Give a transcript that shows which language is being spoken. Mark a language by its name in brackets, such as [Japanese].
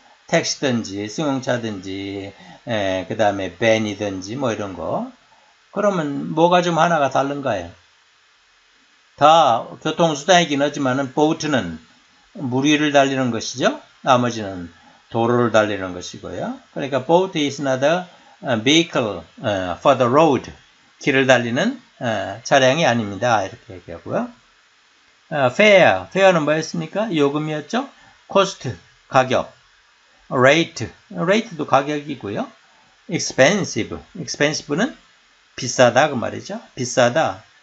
[Korean] 택시든지, 승용차든지, 그 다음에 밴이든지, 뭐 이런 거. 그러면 뭐가 좀 하나가 다른가요? 다 교통수단이긴 하지만은, 보트는 물 위를 달리는 것이죠? 나머지는 도로를 달리는 것이고요. [English] 그러니까, boat is another vehicle for the road. [Korean] 길을 달리는 차량이 아닙니다. 이렇게 얘기하고요. fare. fare는 뭐였습니까? 요금이었죠? cost. 가격. rate도 가격이고요. expensive는 비싸다 그 말이죠. 비싸다.